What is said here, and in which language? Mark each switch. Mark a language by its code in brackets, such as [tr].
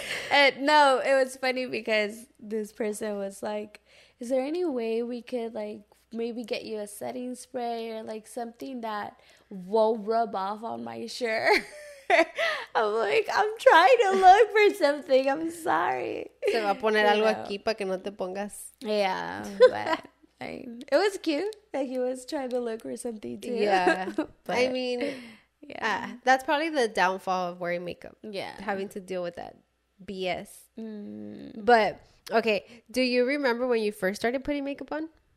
[en] And no, it was funny because this person was like, is there any way we could like maybe get you a setting spray or like something that won't rub off on my shirt? I'm like, I'm trying to look for something. I'm sorry. [es] Se va a poner algo aquí para que no te pongas. [en] Yeah, but I mean, it was cute that he was trying to look for something too. Yeah, but I mean, yeah, that's probably the downfall of wearing makeup. Yeah, having to deal with that BS. Mm. But okay, do you remember when you first started putting makeup on?